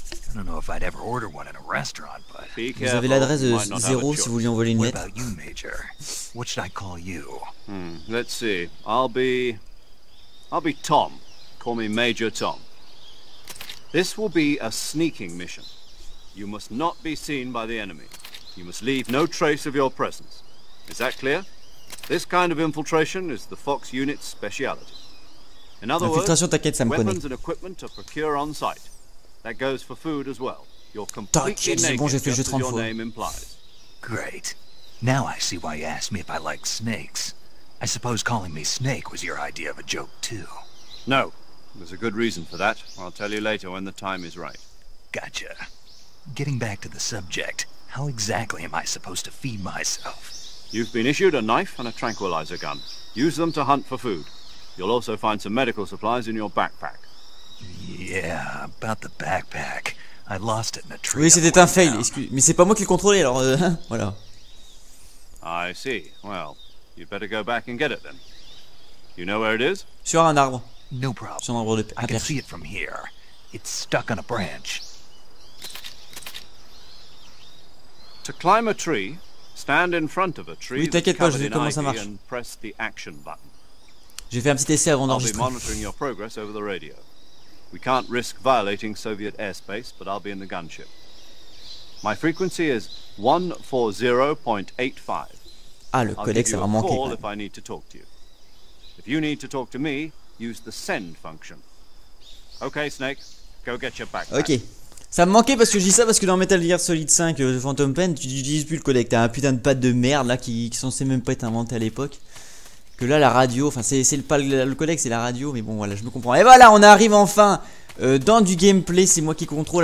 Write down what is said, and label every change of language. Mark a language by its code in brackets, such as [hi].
[en] I don't know if I'd ever order one in a restaurant, but... [fr] Vous avez l'adresse de Zéro si vous lui envoyez une lettre. [en] What about you, Major? What should I call you? Let's see. I'll be Tom. Call me Major Tom. This will be a sneaking mission. You must not be seen by the enemy. You must leave no trace of your presence. Is that clear? This kind of infiltration is the Fox unit's speciality. In other words, weapons and equipment are procured on site. That goes for food as well. You're completely naked, [fr] c'est bon, j'ai fait le jeu 30 fois. [en] Name implies. Great. Now I see why you asked me if I like snakes. I suppose calling me Snake was your idea of a joke too. No. There's a good reason for that. I'll tell you later when the time is right. Gotcha. Getting back to the subject, how exactly am I supposed to feed myself? You've been issued a knife and a tranquilizer gun. Use them to hunt for food. You'll also find some medical supplies in your backpack. Yeah, about the backpack. I lost it in a tree. [fr] Oui, c'était un fail. Mais c'est pas moi qui le contrôlais, alors voilà. [en] I see. Well, you'd better go back and get it then. You know where it is? [fr] Sur un arbre. [en] No problem. [fr] Son arbre de paix. [en] I can see it from here. It's stuck on a branch. To climb a tree, stand in front of a tree. [fr] Oui, t'inquiète pas, je vais voir comment ça marche. [en] And press the action button. [fr] Je vais faire un petit essai avant d'enregistrer. [en] I'll be monitoring your progress over the radio. We can't risk violating Soviet airspace, but I'll be in the gunship. My frequency is 140.85. [fr] Ah, le codec, ça va manquer. [en] I'll give you a call if I need to talk to you. If you need to talk to me, use the send function. Okay, Snake, go get your backpack. Okay. [fr] Ça me manquait parce que je dis ça parce que dans Metal Gear Solid 5 Phantom Pain, tu n'utilises plus le codec. T'as un putain de pad de merde là qui sont censé même pas être inventé à l'époque. Que là, la radio, enfin, c'est pas le codec, c'est la radio, mais bon, voilà, je me comprends. Et voilà, on arrive enfin dans du gameplay, c'est moi qui contrôle.